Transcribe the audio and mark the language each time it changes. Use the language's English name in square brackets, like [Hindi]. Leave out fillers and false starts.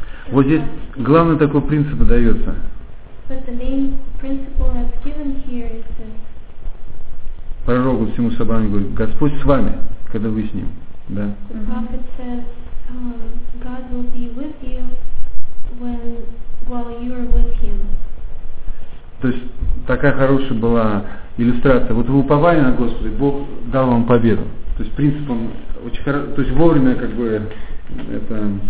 [Russian] Вот здесь главный такой принцип дается. [English] But the main principle that's given here is this. [Russian] Пророку всему собранию говорит: Господь с вами, когда вы с ним. Да. [English] The prophet says, God will be with you when, while you are with him. [Russian] То есть такая хорошая была иллюстрация. Вот вы уповали на Господа, и Бог дал вам победу. То есть принцип он очень хороший. То есть вовремя как бы это.